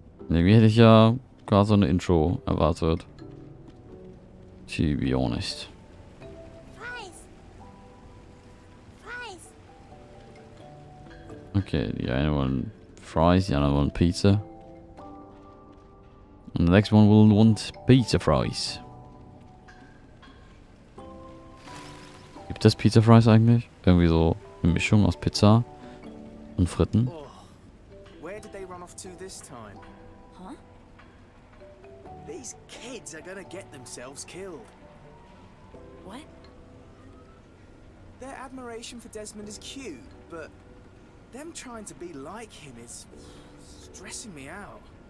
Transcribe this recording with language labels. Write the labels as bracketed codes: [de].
[de] Irgendwie hätte ich ja gar so eine Intro erwartet. [en] To be honest. [de] Okay, die eine wollen Fries, die andere wollen Pizza. [en] And the next one will want Pizza Fries. [de] Gibt es Pizza Fries eigentlich? Irgendwie so eine Mischung aus Pizza und Fritten? [en] Where did they run off to this time? Huh? These kids are gonna get themselves killed. What? Their admiration for Desmond is cute, but them trying to be like him is stressing me out.